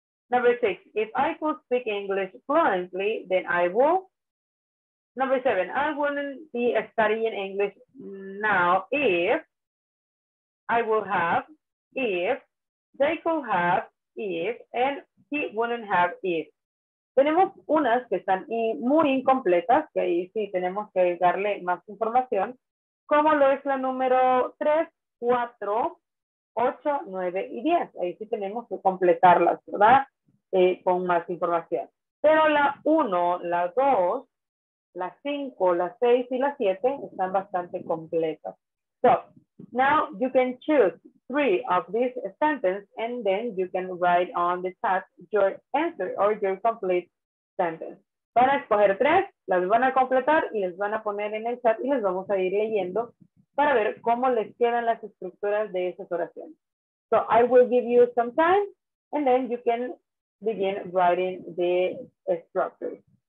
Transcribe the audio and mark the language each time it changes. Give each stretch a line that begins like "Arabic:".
English: Number six, if I could speak English fluently, then I will. Number seven, I wouldn't be studying English now if I will have, if they could have, if, and he wouldn't have if.
Spanish: Tenemos unas que están muy incompletas, que ahí sí tenemos que darle más información, como lo es la número 3, 4, 8, 9 y 10. Ahí sí tenemos que completarlas, ¿verdad? Con más información. Pero la 1, la 2, la 5, la 6 y la 7 están bastante completas.
English: So, now you can choose 3 of these sentences and then you can write on the chat your answer or your complete sentence.
Spanish: Van a escoger 3, las van a completar y les van a poner en el chat y les vamos a ir leyendo para ver cómo les quedan las estructuras de esas oraciones.
English: So, I will give you some time and then you can begin writing the structure.